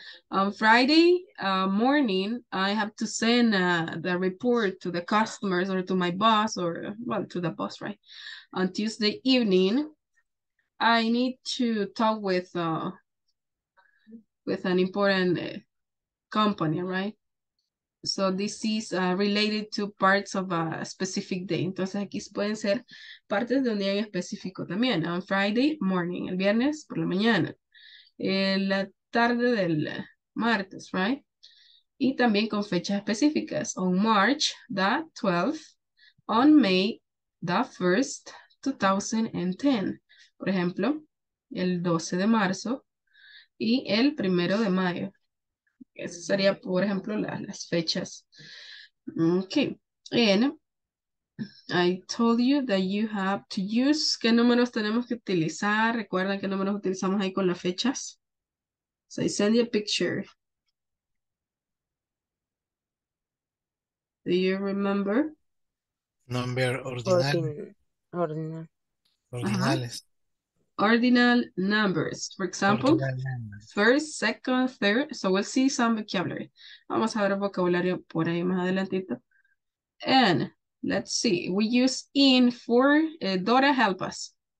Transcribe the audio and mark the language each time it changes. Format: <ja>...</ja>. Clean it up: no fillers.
<en>On Friday morning, I have to send the report to the customers or to my boss or, well, to the boss, right? On Tuesday evening, I need to talk with an important company, right? So this is related to parts of a specific day.</en> <es>Entonces aquí pueden ser partes de un día en específico también.</es> <en>On Friday morning,</en> <es>el viernes por la mañana. La tarde del martes,</es> <en>right?</en> <es>Y también con fechas específicas.</es> <en>On March the 12th, on May the 1st, 2010.</en> <es>Por ejemplo, el 12 de marzo y el 1 de mayo. Eso sería, por ejemplo, las fechas.</es> <en>Okay. And I told you that you have to use,</en> <es>¿qué números tenemos que utilizar? ¿Recuerdan qué números utilizamos ahí con las fechas?</es> <en>So I send you a picture. Do you remember? Number ordinales. Uh-huh. Ordinal numbers, for example, first, second, third. So we'll see some vocabulary.</en> <es>Vamos a ver vocabulario por ahí más adelantito.</es> <en>And let's see, we use in for, Dora, help us.</en>